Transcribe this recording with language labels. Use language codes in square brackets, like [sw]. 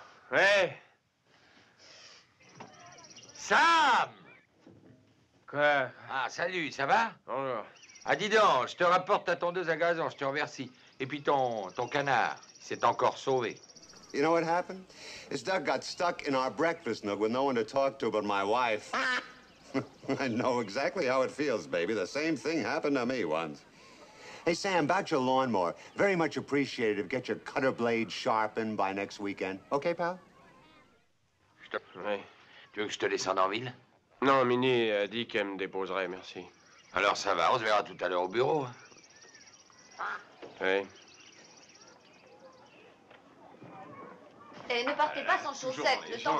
[fr] Ouais. Sam! Quoi? Ah, salut, ça va? Bonjour. Ah, dis donc, je te rapporte ta tondeuse à gazon, je te remercie. Et puis ton canard, il s'est encore sauvé. [en] You know what happened? His duck got stuck in our breakfast nook with no one to talk to but my wife. Ah. I know exactly how it feels, baby. The same thing happened to me once. Hey, Sam, about your lawnmower, very much appreciated if get your cutter blade sharpened by next weekend. Okay, pal? [fr] Oui. Tu veux que je te descende en ville? Non, Minnie a dit qu'elle me déposerait, merci. Alors ça va, on se verra tout à l'heure au bureau. Ah. Oui. Et ne partez pas sans chaussettes, le temps